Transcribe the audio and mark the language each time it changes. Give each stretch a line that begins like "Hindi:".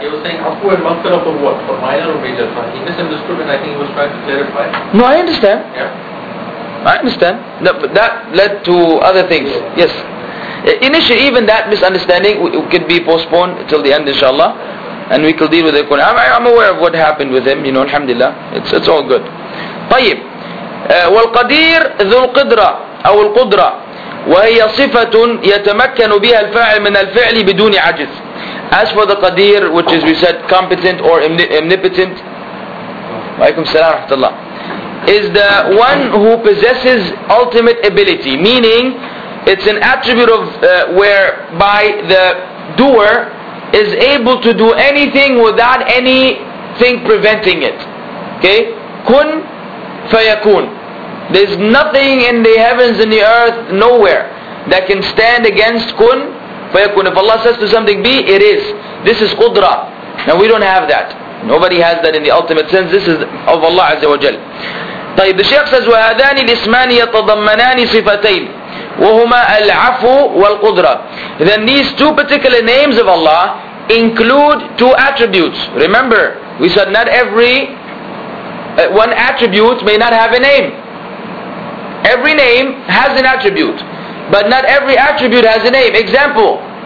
English: He was saying upward maqsad of a what? For minor or major? He misunderstood and I think he was trying to clarify. No, I understand. Yeah. I understand. No, but that led to other things. Yeah. Yes. Initially, even that misunderstanding could be postponed till the end, inshallah. And we could deal with it. I'm aware of what happened with him, you know, alhamdulillah. It's all good. طيب.
Arabic: والقدير ذو القدرة أو القدرة وهي صفة يتمكن بها الفاعل من الفعل بدون عجز.
English: As for the قدير, which is we said competent or omnipotent,
Arabic: وعليكم السلام ورحمة الله,
English: is the one who possesses ultimate ability, meaning it's an attribute of whereby the doer is able to do anything without anything preventing it. Okay,
Arabic: كن فيكون.
English: There's nothing in the heavens and the earth, nowhere, that can stand against kun fayakun. If Allah says to something be, it is. This is qudra. Now we don't have that. Nobody has that in the ultimate sense. This is of Allah Azza wa Jal.
Arabic: طيب,
English: the Shaykh says,
Arabic: وَهَذَانِ الْإِسْمَانِ يَتَضَمَّنَانِ صِفَتَيْنِ وَهُمَا الْعَفُ وَالْقُدْرَ.
English: Then these two particular names of Allah include two attributes. Remember, we said not every one attribute may not have a name. Every name has an attribute, but not every attribute has a name. Example.